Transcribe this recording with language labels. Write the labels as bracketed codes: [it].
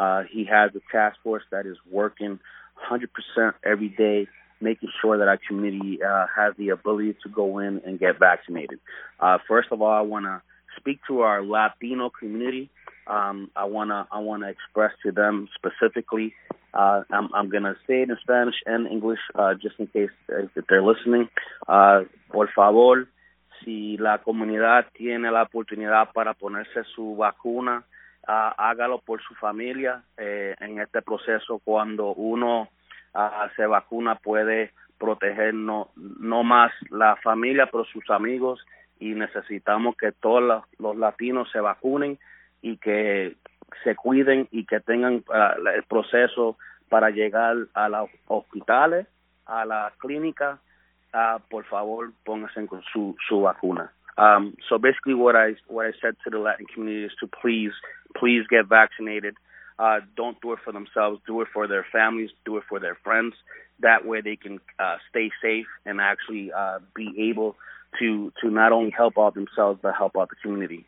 [en] He has a task force that is working 100% every day, making sure that our community has the ability to go in and get vaccinated. First of all, I want to speak to our Latino community. I want to express to them specifically. I'm going to say it in Spanish and English just in case if they're listening. [es] Por favor. Si la comunidad tiene la oportunidad para ponerse su vacuna, hágalo por su familia. En este proceso, cuando uno se vacuna, puede proteger no más la familia, pero sus amigos. Y necesitamos que todos los latinos se vacunen y que se cuiden y que tengan el proceso para llegar a los hospitales, a la clínica. Por favor, póngase con su vacuna. [en] So basically what I said to the Latin community is to please get vaccinated. Don't do it for themselves. Do it for their families. Do it for their friends. That way they can stay safe and actually be able to not only help out themselves, but help out the community.